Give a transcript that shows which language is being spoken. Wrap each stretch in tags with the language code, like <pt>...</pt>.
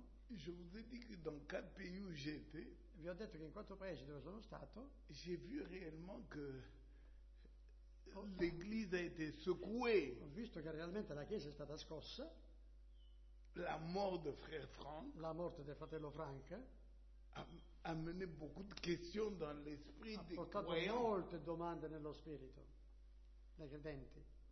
<fr>Je vous ai dit que dans quatre pays où j'étais,</fr> <it>vi ho detto che in quattro paesi dove sono stato,</it> <fr>j'ai vu réellement que l'Église a été secouée.</fr> <it>Ho visto che realmente la Chiesa è stata scossa.</it> <fr>La mort de frère Franck.</fr> <it>La morte del fratello Frank.</it> <fr>A mené beaucoup de questions dans l'esprit des croyants.</fr> <it>Ha portato molte domande nello spirito dei credenti.</it>